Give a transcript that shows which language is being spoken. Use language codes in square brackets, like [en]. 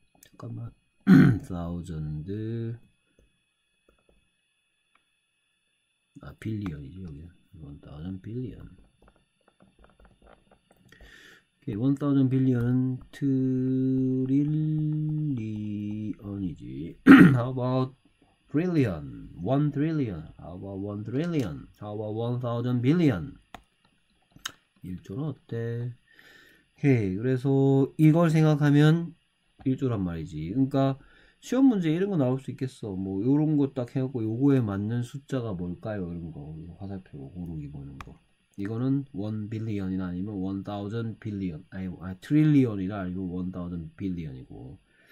[ko] 잠깐만. 1000 아, 빌리언이지, 여기. 1000 빌리언. 오케이, 1000 빌리언은 트릴리언이지. [en] How about trillion, 1 trillion, how about 1 trillion, how about 1000 billion? [ko] 1조는 어때? 오케이, 그래서 이걸 생각하면 1조란 말이지. 그러니까 시험 문제 이런 거 나올 수 있겠어. 뭐 요런 거딱 해갖고 요거에 맞는 숫자가 뭘까요? 이런 거, 화살표 고르기 보는 거. 이거는 1 billion이나 아니면 1000 billion, 아니, 아, trillion이나 아니면 1000 billion이고.